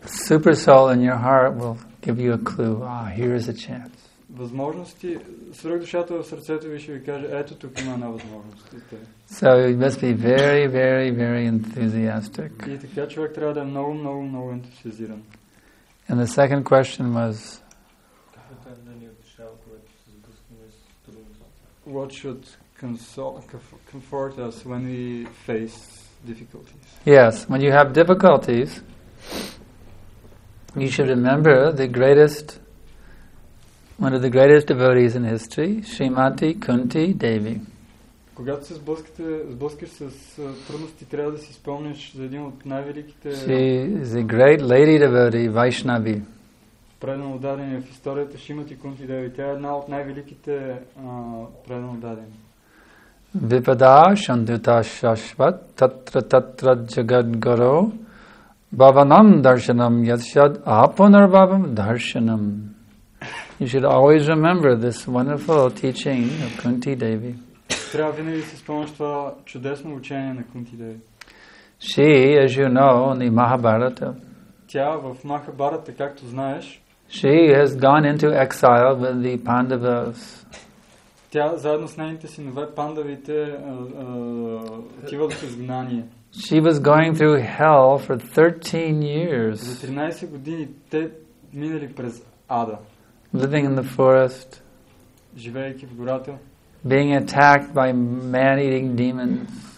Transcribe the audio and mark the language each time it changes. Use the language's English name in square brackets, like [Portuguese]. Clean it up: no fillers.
[English] Super soul in your heart will give you a clue. Ah, here is a chance. [Bulgarian] Възможности, свръхдушата в сърцето ви ще ви каже, ето тук има една възможност. [English] So you must be very, very, very enthusiastic. [Bulgarian] И така човек трябва да е много, много, много ентусиазиран. [English] And the second question was. What should comfort us when we face difficulties? Yes, when you have difficulties, you should remember one of the greatest devotees in history, Srimati Kunti Devi. [Bulgarian] Когато се сблъскаш с трудности, трябва да си спомнеш за един от най-великите. [English] She is a great lady devotee, Vaishnavi. [Bulgarian] Предан ударени в историята, Srimati Kunti Devi. Тя е една от най-великите предан ударени. [Sanskrit] Vipada shanduta shashvat tatra tatra jagad garo bhavanam darshanam yashad apunar bhavam darshanam. [English] You should always remember this wonderful teaching of Kunti Devi. [Bulgarian] Трябва винаги да се спомнеш това чудесно учение на Кунти Деви. [English] She, as you know, in the Mahabharata. [Bulgarian] Тя в Махабарата, както знаеш. [English] She has gone into exile with the Pandavas. [Bulgarian] Тя заедно с нейните синове пандавите отива в изгнание. [English] She was going through hell for 13 years. [Bulgarian] За 13 години те минали през ада. [English] Living in the forest. [Bulgarian] Живеейки в гората. [English] being attacked by man-eating demons.